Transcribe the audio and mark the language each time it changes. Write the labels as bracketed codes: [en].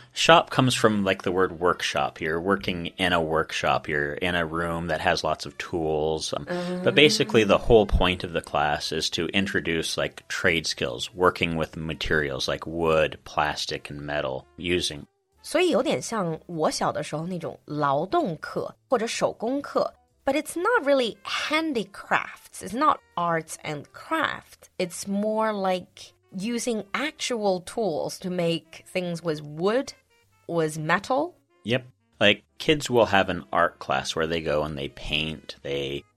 [en] Shop comes from like the word workshop. You're working in a workshop. You're in a room that has lots of tools. But basically the whole point of the class is to introduce like trade skills, working with materials like wood, plastic, and metal using. [zh] 所以有点像我小的时候那种劳动课或者手工课。 [en] But it's not really handicrafts. It's not arts and craft. It's more like... using actual tools to make things with wood, with metal. Yep. Like, kids will have an art class where they go and they paint, they...